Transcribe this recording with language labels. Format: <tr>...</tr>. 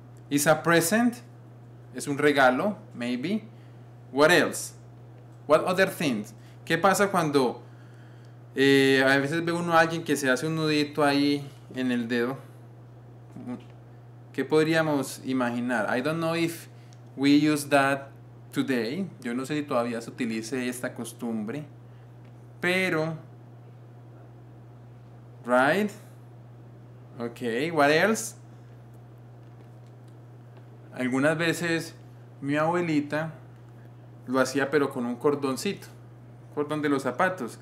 <en>Is a present.</en> <es>Es un regalo,</es> <en>maybe. What else? What other things?</en> <es>¿Qué pasa cuando a veces ve uno a alguien que se hace un nudito ahí en el dedo? ¿Qué podríamos imaginar?</es> <en>I don't know if we use that today.</en> <es>Yo no sé si todavía se utilice esta costumbre. Pero...</es> <en>Right? Okay, what else?</en> <es>Algunas veces mi abuelita lo hacía pero con un cordoncito, cordón de los zapatos.</es>